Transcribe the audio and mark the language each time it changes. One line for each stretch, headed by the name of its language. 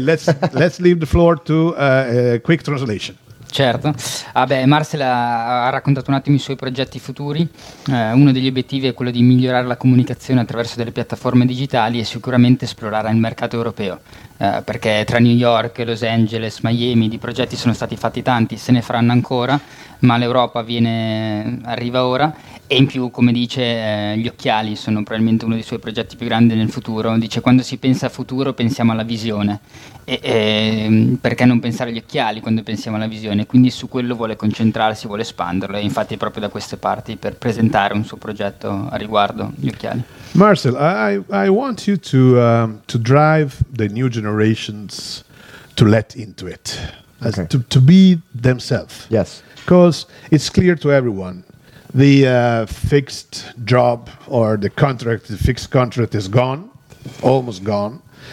English: Let's leave the floor to a quick translation.
Italian: Certo. Vabbè, Marcel ha raccontato un attimo i suoi progetti futuri. Uno degli obiettivi è quello di migliorare la comunicazione attraverso delle piattaforme digitali e sicuramente esplorare il mercato europeo. Perché tra New York, Los Angeles, Miami, di progetti sono stati fatti tanti, se ne faranno ancora, ma l'Europa arriva ora. E in più, come dice, gli occhiali sono probabilmente uno dei suoi progetti più grandi nel futuro. Dice, quando si pensa a futuro pensiamo alla visione. E perché non pensare agli occhiali quando pensiamo alla visione? Quindi su quello vuole concentrarsi, vuole espanderlo. E infatti è proprio da queste parti per presentare un suo progetto a riguardo gli occhiali.
English: Marcel, I want you to drive the new generations to let into it. Okay. To be themselves. Yes. Because it's clear to everyone. The fixed job or the contract, the fixed contract is gone, almost gone.